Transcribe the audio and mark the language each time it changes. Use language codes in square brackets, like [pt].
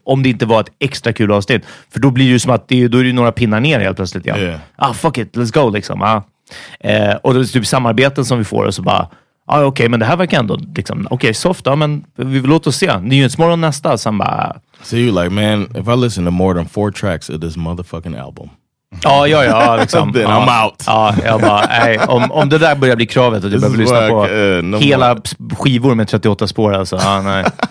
[sv] Om det inte var ett extra kul avsnitt. För då blir det ju som att då är det några pinnar ner helt plötsligt. [en] Yeah. Ah, fuck it, let's go [sv] liksom. Och det är typ samarbeten som vi får och så bara... okej, men det här verkar ändå liksom, okej, soft, men vi vill låta oss se. Nyhetsmorgon nästa, sen bara... [en] So you're like, man, if I listen to more than 4 tracks of this motherfucking album... [sv] liksom. [en] Then I'm out. [sv] Jag bara, om det där börjar bli kravet att jag behöver lyssna på hela skivor med 38 spår, alltså. Nej.